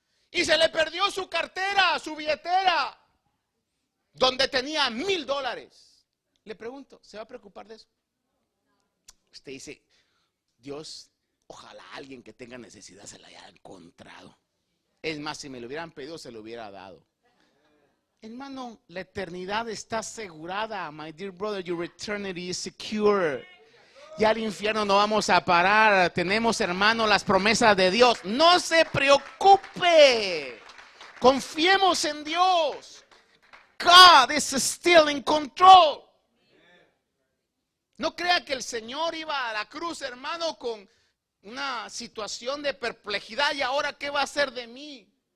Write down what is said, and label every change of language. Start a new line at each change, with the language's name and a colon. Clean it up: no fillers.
Spanish: Y se le perdió su cartera, su billetera. Donde tenía $1,000. Le pregunto, ¿se va a preocupar de eso? Usted dice, Dios, ojalá alguien que tenga necesidad se la haya encontrado. Es más, si me lo hubieran pedido, se lo hubiera dado. Hermano, la eternidad está asegurada.
English: My dear brother, your eternity is secure.
Spanish: Ya al infierno no vamos a parar. Tenemos, hermano, las promesas de Dios. No se preocupe. Confiemos en Dios. God is still in control. No crea que el Señor iba a la cruz, hermano, con una situación de perplejidad. ¿Y ahora qué va a hacer de mí?